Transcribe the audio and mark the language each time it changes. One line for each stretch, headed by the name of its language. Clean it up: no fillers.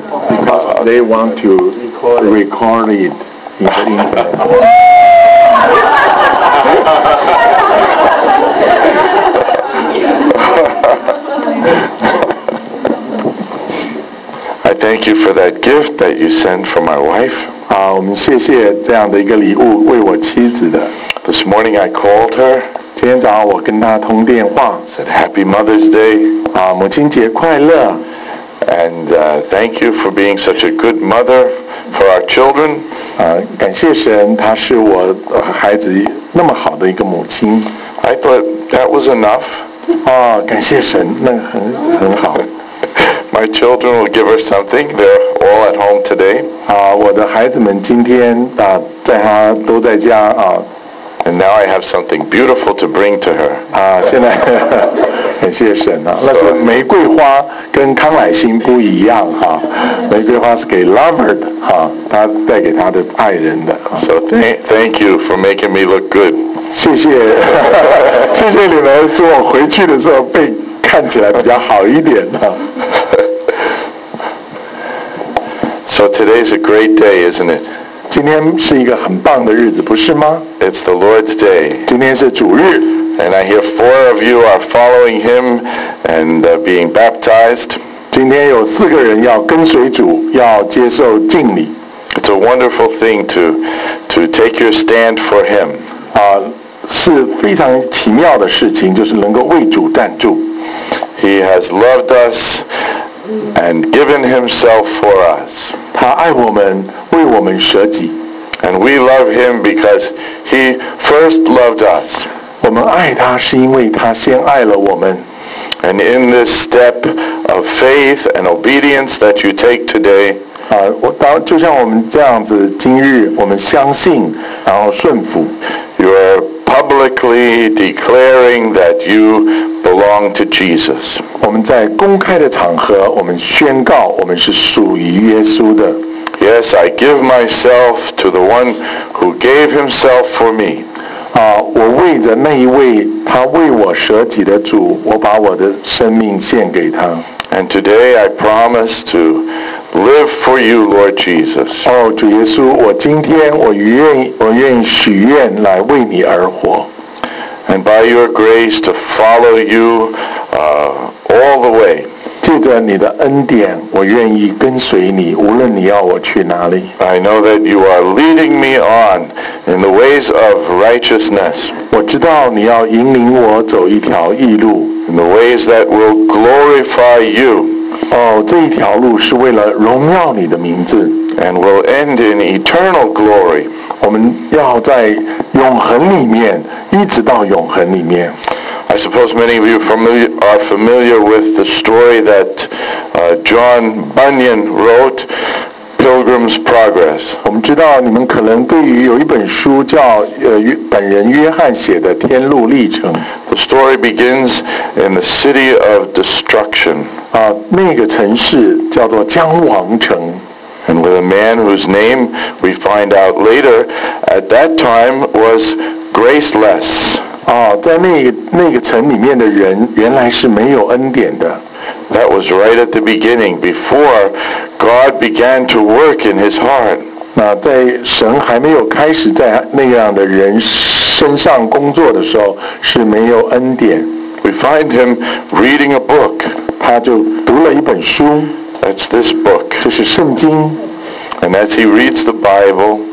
English: Because they want to record it. I thank you for that gift that you sent for my wife.
Chinese: 好，我们谢谢这样的一个礼物，为我妻子的。
English: This morning I called her.
Chinese: 今天早上我跟她通电话。
English: Said Happy Mother's Day.
Chinese: 啊，母亲节快乐。
English: And thank you for being such a good mother for our children.
Chinese: 啊，感谢神，她是我孩子那么好的一个母亲。
English: I thought that was enough.
Chinese: 啊，感谢神，那很好。
English: My children will give her something. They're all at home today.
Chinese: 啊，我的孩子们今天啊，在她都在家啊。
English: And now I have something beautiful to bring to her.
Chinese: 啊，现在。感谢神啊，那是玫瑰花，跟康乃馨不一样哈、啊。玫瑰花是给 lover 的哈、啊，他带给他的爱人的、啊。
English: So thank you for making me look good.
Chinese: 谢谢，谢谢你们，使我回去的时候被看起来比较好一点哈、啊。
English: So today is a great day, isn't it?
Chinese: 今天是一个很棒的日子，不是吗
English: ？It's the Lord's day.
Chinese: 今天是主日。
English: And I hear four of you are following him and being baptized.
Chinese: 今天有四个人要跟随主，要接受敬礼。
English: It's a wonderful thing to take your stand for him.
Chinese: 啊，是非常奇妙的事情，就是能够为主站住。
English: He has loved us and given himself for us.
Chinese: 他爱我们，为我们舍己。
English: And we love him because he first loved us.
Chinese: 我们爱他是因为他先爱了我们。
English: And in this step of faith and obedience that you take today,
Chinese: 啊，我当就像我们这样子，今日我们相信，然后顺服。
English: You are publicly declaring that you belong to Jesus.
Chinese: 我们在公开的场合，我们宣告我们是属于耶稣的。
English: Yes, I give myself to the one who gave himself for me.
Chinese: 我为着那一位他为我舍己的主，我把我的生命献给他。
English: And today I promise to live for you, Lord Jesus.
Chinese: 哦，主耶稣，我今天我愿许愿来为你而活。
English: And by your grace to follow you, all the way.
Chinese: 借着你的恩典，我愿意跟随你，无论你要我去哪里。
English: I know that you are leading me on. In the ways of righteousness,
Chinese: 我知道你要引领我走一条义路。
English: In the ways that will glorify you,
Chinese: 哦，这一条路是为了荣耀你的名字。
English: And will end in eternal glory,
Chinese: 我们要在永恒里面，一直到永恒里面。
English: I suppose many of you are familiar with the story that John Bunyan wrote. Pilgrim's Progress.
Chinese: 我们知道你们可能对于有一本书叫本人约翰写的《天路历程》。
English: The story begins in the city of destruction.
Chinese: 啊，那个城市叫做将亡城。
English: And with a man whose name we find out later at that time was Graceless.
Chinese: 啊，在那个城里面的人原来是没有恩典的。
English: That was right at the beginning, before God began to work in his heart.
Chinese: 那在神还没有开始在那样的人身上工作的时候，是没有恩典。
English: We find him reading a book.
Chinese: 他就读了一本书。
English: That's this book.
Chinese: 这是圣经。
English: And as he reads the Bible,